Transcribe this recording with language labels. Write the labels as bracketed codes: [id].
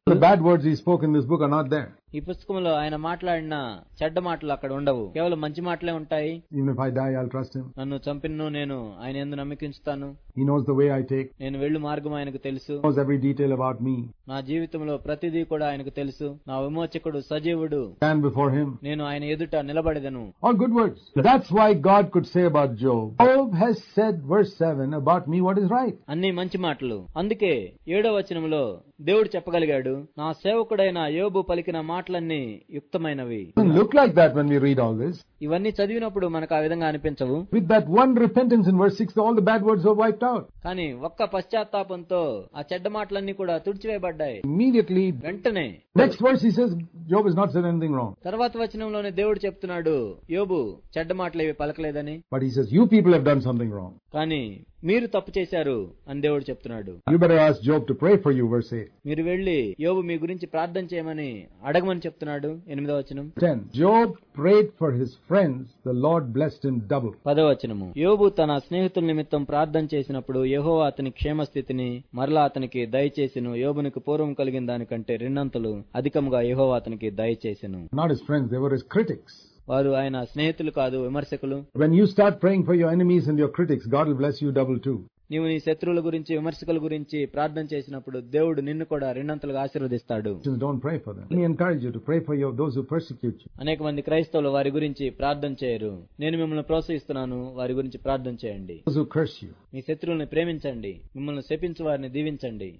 [en] the bad words he spoke in this book are not there, [te] ఈ పుస్తకంలో ఆయన మాట్లాడిన చెడ్డ మాటలు అక్కడ ఉండవు, కేవలం మంచి మాటలే ఉంటాయి. [en] Even if I die, I'll trust him, [te] నన్ను చంపినను నేను ఆయన ఎందు నమ్మకించుతాను. [en] He knows the way I take, [te] నేను వెళ్ళు మార్గం ఆయనకు తెలుసు. [en] He knows every detail about me, [te] నా జీవితంలో ప్రతిదీ కూడా ఆయనకు తెలుసు. నా విమోచకుడు సజీవుడు, [en] stand before him, [te] నేను ఆయన ఎదుట నిలబడదను. [en] All good words, that's why God could say about Job, Job has said verse 7 about me what is right, [te] అన్ని మంచి మాటలు. అందుకే 7వ వచనంలో దేవుడు చెప్పగలిగాడు, నా సేవకుడైన యోబు పలికిన మాటలన్నీ యుక్తమైనవి. [en] look like that when we read all this, [te] ఇవన్నీ చదివినప్పుడు మనకు ఆ విధంగా అనిపించవు. [en] with that one repentance in verse 6 all the bad words were wiped out, [te] కానీ ఒక్క పశ్చాత్తాపంతో ఆ చెడ్డ మాటలన్నీ కూడా తుడిచివేయబడ్డాయి. [en] immediately, [te] వెంటనే, [en] next verse he says Job is not said anything wrong, [te] తర్వాత వచనంలోనే దేవుడు చెప్తున్నాడు యోబు చెడ్డ మాటలు ఏవి పలకలేదని. [en] but he says you people have done something wrong, [te] కానీ మీరు తప్పు చేశారు అని దేవుడు చెప్తున్నాడు. [en] you better ask Job to pray for you verse 8, [te] మీరు వెళ్లి యోబు మీ గురించి ప్రార్థన చేయమని అడగమని చెప్తున్నాడు 8వ వచనం. [en] 10, Job prayed for his friends, the Lord blessed him double. [te] 10వ వచనము, యోబు తన స్నేహితుల నిమిత్తం ప్రార్థన చేసినప్పుడు యెహోవా అతని క్షేమస్థితిని మరలా అతనికి దయచేసెను, యోబునికి పూర్వం కలిగిన దానికంటే రెండంతలు అధికముగా యెహోవా అతనికి దయచేసెను. [en] Not his friends, they were his critics. [te] వారు ఆయన స్నేహితులు కాదు, విమర్శకులు. [en] When you start praying for your enemies and your critics, God will bless you double too. [te] నీవు నీ శత్రువుల గురించి, విమర్శకుల గురించి ప్రార్థన చేసినప్పుడు దేవుడు నిన్ను కూడా రెండంతలుగా ఆశీర్వదిస్తాడు. [en] Don't pray for them, he encourage you to pray for your those who persecute you. [te] అనేక మంది క్రైస్తవులు వారి గురించి ప్రార్థన చేయరు. నేను మిమ్మల్ని ప్రోత్సహిస్తున్నాను, వారి గురించి ప్రార్థన చేయండి. మీ శత్రువుల్ని ప్రేమించండి, మిమ్మల్ని శపించు వారిని దీవించండి.